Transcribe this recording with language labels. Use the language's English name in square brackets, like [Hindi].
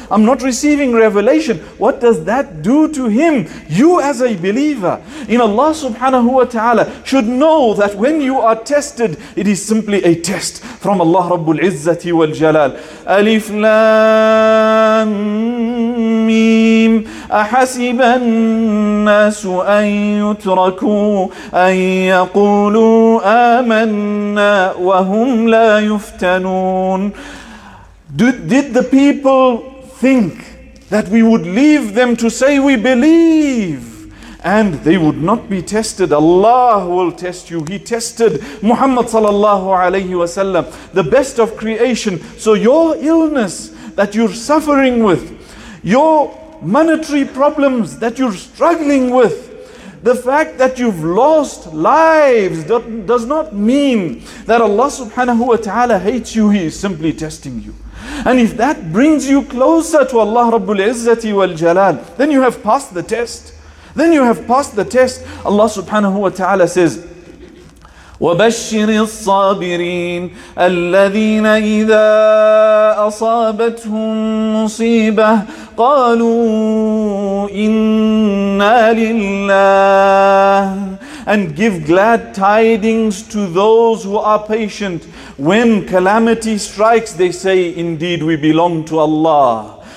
[English] I'm not receiving revelation. What does that do to him? You as a believer in Allah subhanahu wa ta'ala should know that when you are tested, it is simply a test from Allah Rabbul Izzati wal Jalal. [Arabic] Alif Lam ميم. أحسب الناس أن يتركوا أن يقولوا آمنا وهم لا يفتنون. [English] Did the people think that we would leave them to say we believe and they would not be tested? Allah will test you. He tested Muhammad sallallahu alayhi wa sallam, the best of creation. So your illness that you're suffering with, your monetary problems that you're struggling with, the fact that you've lost lives, that does not mean that Allah subhanahu wa ta'ala hates you. He is simply testing you. And if that brings you closer to Allah Rabbul Izzati wal Jalal, then you have passed the test. Then you have passed the test. Allah subhanahu wa ta'ala says, [Arabic] وَبَشِّرِ الصَّابِرِينَ الَّذِينَ إِذَا أَصَابَتْهُمْ مُصِيبَةٌ قَالُوا إِنَّا لِلَّهِ. [English] And give glad tidings to those who are patient. When calamity strikes, they say, indeed we belong to Allah.